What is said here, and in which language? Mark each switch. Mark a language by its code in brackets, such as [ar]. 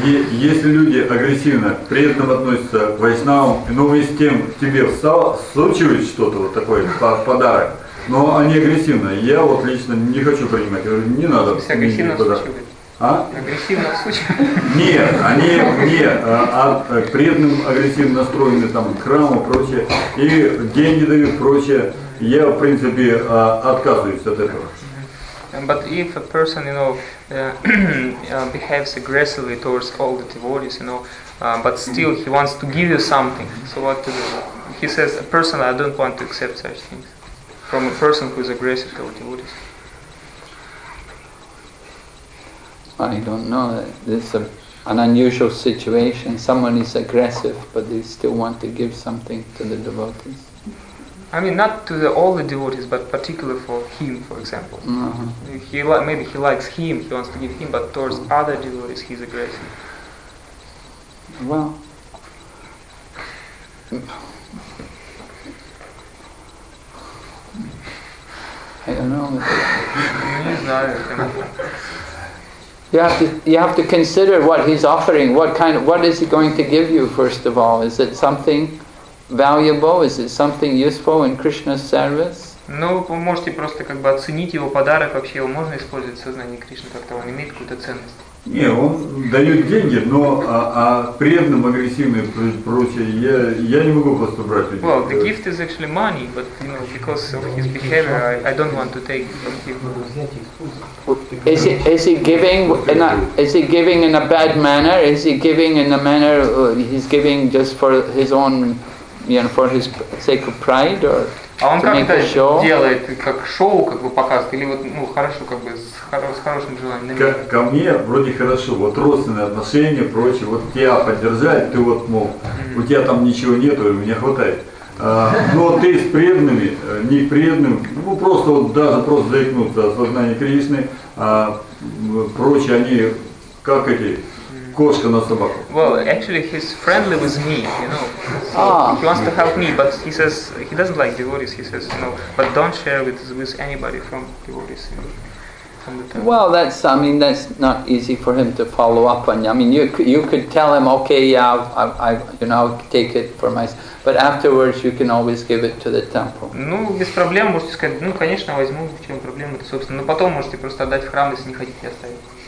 [ru] Если люди агрессивно при этом относятся к вайшнавам, ну, и с тем тебе случилось что-то вот такое, подарок, но они агрессивно, я вот лично не хочу принимать. Я говорю, не надо. Если агрессивно случилось? А? Агрессивно случилось? Нет, они мне при этом агрессивно настроены там к храму и прочее, и деньги дают и прочее, я, в принципе, отказываюсь от этого. [en] But if a person, you know, behaves aggressively towards all the devotees, you know, but still he wants to give you something, so what to do? He says, personally, I don't want to accept such things from a person who is aggressive towards devotees. I don't know. This is an unusual situation. Someone is aggressive, but they still want to give something to the devotees. I mean, not to all the devotees, but particularly for him, for example. Uh-huh. Maybe he likes him, he wants to give him, but towards other devotees, he's aggressive. Well, I don't know. [ru] Не знаю. [en] You have to consider what he's offering. What is he going to give you, first of all? Is it something valuable? Is it something useful in Krishna's service? [ru] Ну, вы можете просто как бы оценить его подарок, вообще его можно использовать в сознании Кришны, как-то он имеет какую-то ценность. Не, он дает деньги, но преданным агрессивным просит, я не могу просто брать деньги. [en] Well, the gift is actually money, but you know, because of his behavior, I don't want to take it. Is he giving in a bad manner? Is he giving in a manner he's giving just for his own, you know, for his sake of pride or? [ru] А он как-то делает, как шоу, как бы показывает, или вот, ну, хорошо, как бы, с хорошим желанием? Ко мне вроде хорошо, вот родственные отношения, прочее, вот тебя поддержать, ты вот, мол, mm-hmm. у тебя там ничего нету, и мне хватает. Но ты с преданными, не преданным, ну, просто вот даже просто заикнуться о сознании Кришны, прочее, они как эти... [en] Well, actually, he's friendly with me, you know. He wants to help me, but he says he doesn't like devotees. He says, you know, but don't share with anybody from devotees. You know, from the temple. Well, that's not easy for him to follow up on. I mean, you could tell him, okay, yeah, I'll take it for myself. But afterwards, you can always give it to the temple. [ru] Ну, без проблем можете сказать, ну, конечно, возьму, в чем проблема, собственно. Но потом можете просто отдать в храм, если не хотите оставить.